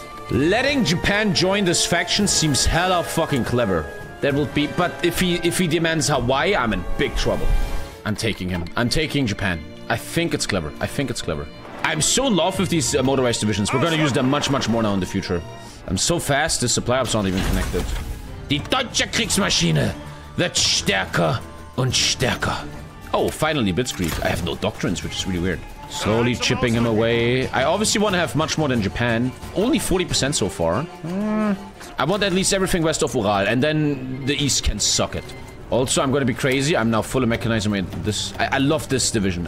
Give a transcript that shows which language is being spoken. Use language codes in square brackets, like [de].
[en] Letting Japan join this faction seems hella fucking clever. That will be... But if he demands Hawaii, I'm in big trouble. I'm taking him. I'm taking Japan. I think it's clever. I think it's clever. I'm so in love with these motorized divisions. We're gonna use them much, much more now in the future. I'm so fast, the supply ops aren't even connected. [de] Die deutsche Kriegsmaschine wird stärker und stärker. [en] Oh, finally, Blitzkrieg. I have no doctrines, which is really weird. Slowly chipping him away. I obviously want to have much more than Japan. Only 40% so far. I want at least everything west of Ural, and then the east can suck it. Also, I'm gonna be crazy. I'm now fully mechanizing this. I love this division.